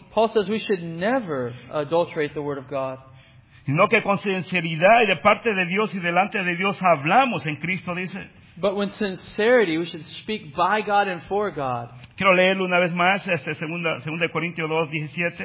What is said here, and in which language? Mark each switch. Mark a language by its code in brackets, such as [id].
[en] Paul says we should never adulterate the word of God. [es] Sino que con sinceridad y de parte de Dios y delante de Dios hablamos en Cristo, dice. [en] But with sincerity we should speak by God and for God. [es] Quiero leerlo una vez más, 2 Corintios 2, 17.